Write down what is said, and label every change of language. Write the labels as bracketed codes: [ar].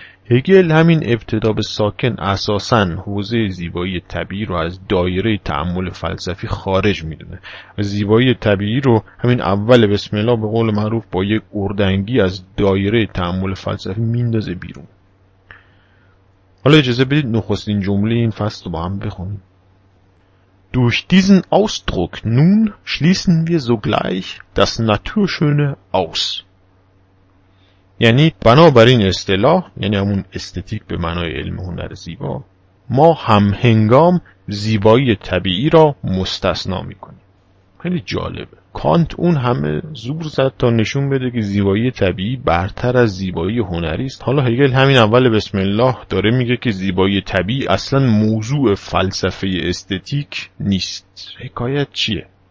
[fa] هگل همین ابتدا به ساکن اساساً حوزه زیبایی طبیعی رو از دایره تأمل فلسفی خارج میدونه و زیبایی طبیعی رو همین اول بسم الله به قول معروف با یک اردنگی از دایره تأمل فلسفی میندازه بیرون. حالا اجازه بدید نخستین جمله این فصل رو با هم بخونیم. [de] Durch diesen Ausdruck nun schließen wir sogleich das Naturschöne aus. [fa] یعنی بنابراین اصطلاح، یعنی همون استتیک به معنای علم هنر زیبا، ما همهنگام زیبایی طبیعی را مستثنا میکنیم. خیلی جالبه، کانت اون همه زور زد تا نشون بده که زیبایی طبیعی برتر از زیبایی هنری است، حالا هگل همین اول بسم الله داره میگه که زیبایی طبیعی اصلا موضوع فلسفه استتیک نیست. حکایت چیه؟